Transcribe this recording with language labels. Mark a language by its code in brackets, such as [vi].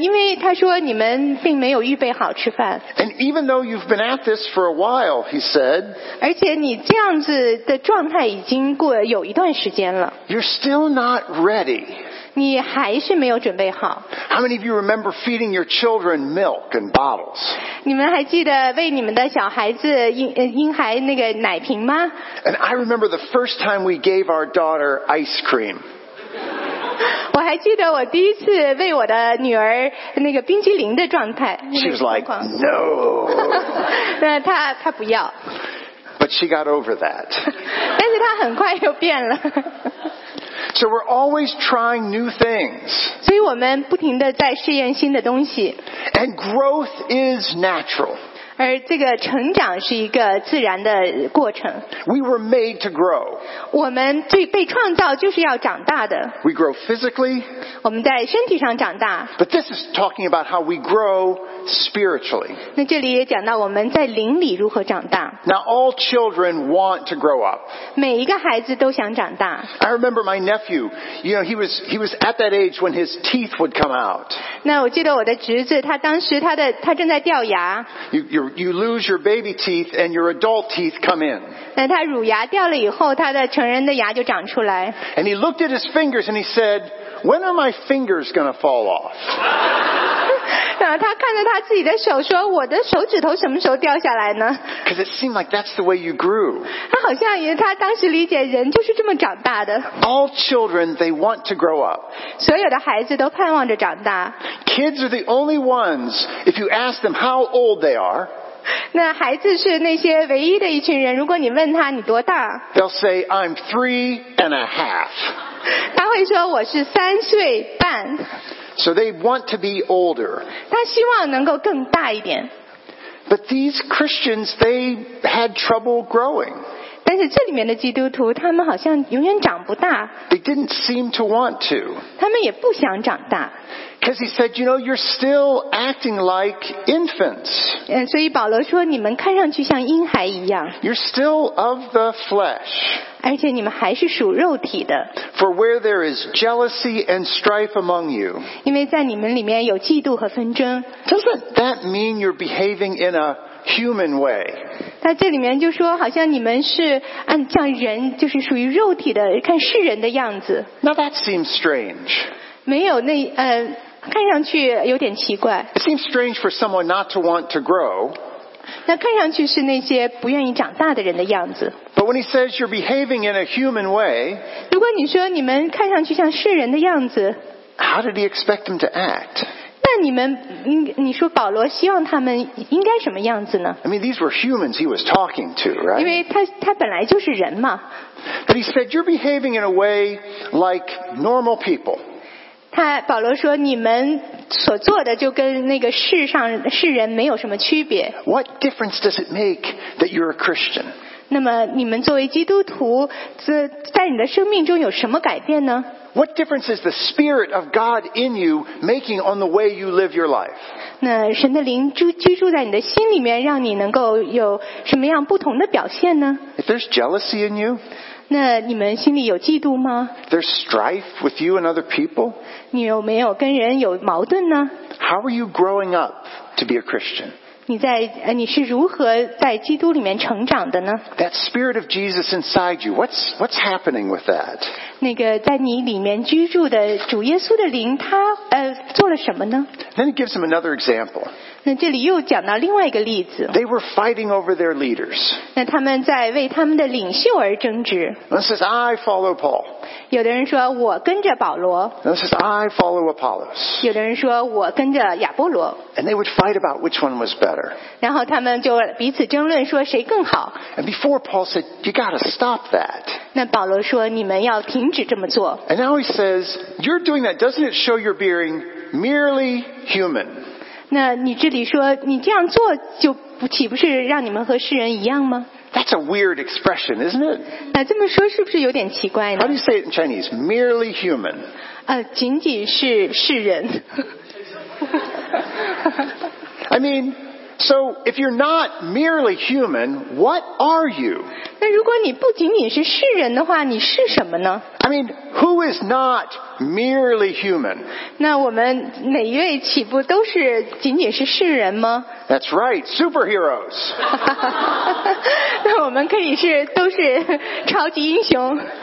[zh] 因为他说你们并没有预备好吃饭。 [en] And even though you've been at this for a while, he said. [zh] 而且你这样子的状态已经过有一段时间了。 [en] You're still not ready. [zh] 你还是没有准备好。 [en] How many of you remember feeding your children milk and bottles? [zh] 你们还记得喂你们的小孩子婴孩那个奶瓶吗？ [en] And I remember the first time we gave our daughter ice cream. [zh] 我还记得我第一次喂我的女儿那个冰淇淋的状态。 [en] She was like, no. [zh] 那她不要。 [en] But she got over that. [zh] 但是她很快又变了。 [en] So we're always trying new things. [zh] 所以我们不停地在试验新的东西。 [en] And growth is natural. [zh] 而这个成长是一个自然的过程。 [en] We were made to grow. [zh] 我们最被创造就是要长大的。 [en] We grow physically. [zh] 我们在身体上长大。 [en] But this is talking about how we grow spiritually. [zh] 那这里也讲到我们在灵里如何长大。 [en] Now all children want to grow up. [zh] 每一个孩子都想长大。 [en] I remember my nephew. You know, he was at that age when his teeth would come out. [zh] 那我记得我的侄子，他当时他正在掉牙。 [en] You lose your baby teeth and your adult teeth come in. [zh] 那他乳牙掉了以后，他的成人的牙就长出来。 [en] And he looked at his fingers and he said, "When are my fingers going to fall off?" [zh] 然后他看着他自己的手说，我的手指头什么时候掉下来呢？ [en] Because it seemed like that's the way you grew. [zh] 他好像也他当时理解人就是这么长大的。 [en] All children, they want to grow up. [zh] 所有的孩子都盼望着长大。 [en] Kids are the only ones, if you ask them how old they are, [zh] 那孩子是那些唯一的一群人，如果你问他你多大， [en] they'll say, I'm 3 and a half. [zh] 他会说我是三岁半。 [en] So they want to be older. [zh] 他希望能够更大一点。 [en] But these Christians, they had trouble growing. [zh] 但是这里面的基督徒，他们好像永远长不大。 [en] They didn't seem to want to. [zh] 他们也不想长大。 [en] Because he said, you know, you're still acting like infants. [zh] 所以保罗说，你们看上去像婴孩一样。 [en] You're still of the flesh. [zh] 而且你们还是属肉体的。 [en] For where there is jealousy and strife among you. [zh] 因为在你们里面有嫉妒和纷争。 [en] Doesn't that mean you're behaving in a human way? [zh] 他这里面就说，好像你们是按像人，就是属于肉体的，看世人的样子。 [en] Now that seems strange. [zh] 没有那看上去有点奇怪。 [en] It seems strange for someone not to want to grow. [zh] 那看上去是那些不愿意长大的人的样子。 [en] But when he says you're behaving in a human way, [zh] 如果你说你们看上去像世人的样子， [en] how did he expect them to act? [zh] 那你们你说保罗希望他们应该什么样子呢？ [en] I mean, these were humans he was talking to, right? [zh] 因为他本来就是人嘛。 [en] But he said you're behaving in a way like normal people. [zh] 保罗说你们所做的就跟那个世人没有什么区别。 [en] What difference does it make that you're a Christian? [zh] 那么你们作为基督徒在你的生命中有什么改变呢？ [en] What difference is the Spirit of God in you making on the way you live your life? [zh] 那神的灵居住在你的心里面让你能够有什么样不同的表现呢？ [en] If there's jealousy in you, [zh] 那你们心里有嫉妒吗？ [en] There's strife with you and other people? [zh] 你有没有跟人有矛盾呢？ [en] How are you growing up to be a Christian? [zh] 你是如何在基督里面成长的呢？ [en] That spirit of Jesus inside you, what's happening with that? [zh] 那个在你里面居住的主耶稣的灵，他做了什么呢？ [en] Then it gives him another example. [zh] 那这里又讲到另外一个例子。 [en] They were fighting over their leaders. [zh] 那他们在为他们的领袖而争执。 [en] One says, I follow Paul. [zh] 有的人说我跟着保罗。 [en] One says, I follow Apollos. [zh] 有的人说我跟着亚波罗。 [en] And they would fight about which one was better. [zh] 然后他们就彼此争论说谁更好。 [en] And before Paul said, you gotta stop that. [zh] 那保罗说你们要停止这么做。 [en] And now he says, you're doing that, doesn't it show you're being merely human. [zh] 那你这里说你这样做就岂不是让你们和世人一样吗？ [en] That's a weird expression, isn't it? [zh] 那这么说是不是有点奇怪呢？ [en] How do you say it in Chinese? Merely human. [zh] 仅仅是世人。 [en] I mean, so if you're not merely human, what are you? [zh] 那如果你不仅仅是世人的话，你是什么呢？ [en] I mean, who is not merely human? [zh] 那我们哪一位岂不都是仅仅是世人吗？ [en] That's right, superheroes. [zh] 那我们可以是都是超级英雄。